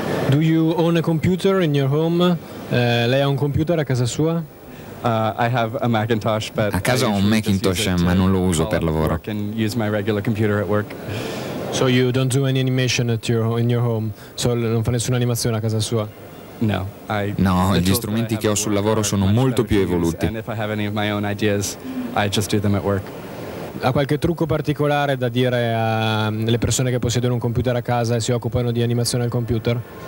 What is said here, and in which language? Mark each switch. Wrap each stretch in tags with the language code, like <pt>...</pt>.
<en>Do you own a computer in your home?</en> <it>Lei ha un computer a casa sua?</it> <en>I have a Macintosh, but</en> <it>a casa ho un Macintosh, ma non lo uso per lavoro.</it> <en>Use my regular computer at work. So you don't do any animation at your in your home.</en> <it>So non fa nessuna animazione a casa sua.</it> <en>No,</en> <it>no, gli strumenti che ho sul lavoro sono molto più evoluti.</it> <en>And if I have any of my own ideas, I just do them at work.</en> <it>Ha qualche trucco particolare da dire alle persone che possiedono un computer a casa e si occupano di animazione al computer?</it>